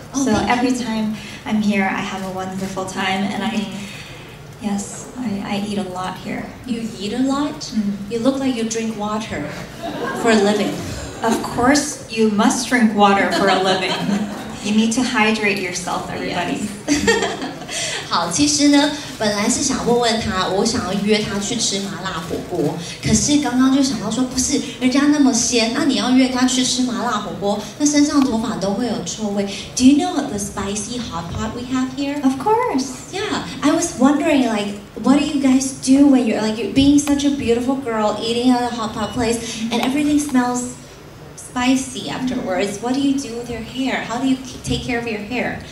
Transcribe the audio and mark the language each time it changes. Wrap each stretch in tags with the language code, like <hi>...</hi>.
<en>Time I'm here, I have a wonderful time. I eat a lot here. You eat a lot? Mm-hmm. You look like you drink water for a living. Of course, you must drink water for a living. You need to hydrate yourself, everybody. Yes.</en> <zh>好，其实呢，本来是想问问他，我想要约他去吃麻辣火锅，可是刚刚就想到说，不是人家那么鲜，那你要约他去吃麻辣火锅，那身上头发都会有臭味。</zh> <en>Do you know the spicy hot pot we have here? Of course. Yeah, I was wondering, like, what do you guys do when you're like you're being such a beautiful girl eating at a hot pot place, and everything smells. Spicy afterwards. What do you do with your hair? How do you take care of your hair?</en>